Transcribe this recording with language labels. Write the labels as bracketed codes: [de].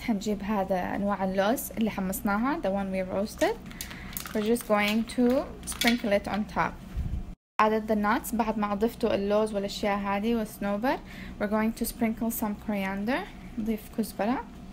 [ar] حنجيب هذا أنواع اللوز اللي حمصناها, [en] the one we roasted. We're just going to sprinkle it on top. Added the nuts. [ar] بعد ما أضفتوا اللوز والأشياء هذه والصنوبر, [en] we're going to sprinkle some coriander. [ar] نضيف كزبرة.